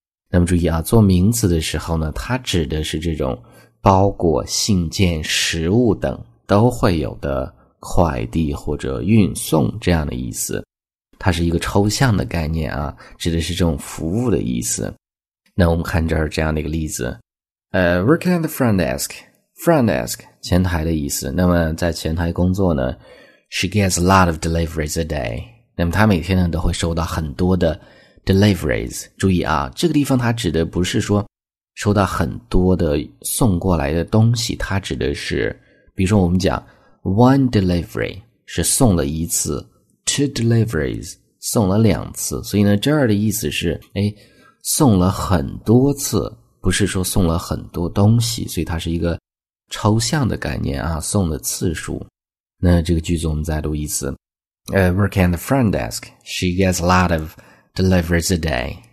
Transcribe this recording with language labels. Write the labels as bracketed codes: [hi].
[zh] 那么注意啊，做名词的时候呢它指的是这种包裹、信件、食物等都会有的快递或者运送这样的意思。它是一个抽象的概念啊，指的是这种服务的意思。那我们看这儿这样的一个例子。 [en] Working at the front desk, [zh] 前台的意思。那么在前台工作呢， [en] She gets a lot of deliveries a day. [zh] 那么她每天呢都会收到很多的 deliveries. 注意啊，这个地方它指的不是说收到很多的送过来的东西，它指的是比如说我们讲 [en] one delivery [zh] 是送了一次， [en] two deliveries [zh] 送了两次。所以呢这儿的意思是送了很多次，不是说送了很多东西，所以它是一个抽象的概念啊，送的次数。那这个句子我们再读一次。 [en] Working at the front desk, she gets a lot of deliveries a day.